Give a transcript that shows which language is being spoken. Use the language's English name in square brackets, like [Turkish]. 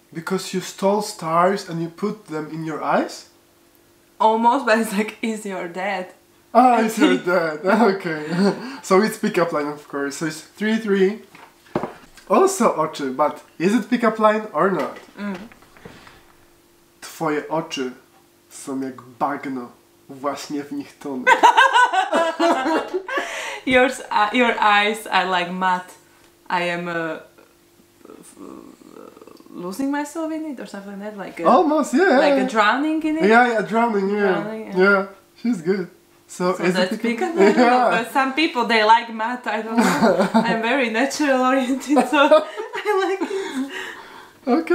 [English] Because you stole stars and you put them in your eyes? Almost, but it's like, is your dad? Ah, it's your dad. Okay. So it's pickup line, of course. So it's 3-3. Also oczy, but is it pickup line or not? [Polish] Twoje oczy są jak bagno, właśnie w nich tonę. [English] Your eyes are like mud. I am losing myself in it or something like that. Like a, almost, yeah. Like a drowning in it. Yeah, drowning. She's good. So is that pickup line? Yeah. But some people, they like math, I don't know. I'm very natural oriented, so I like it.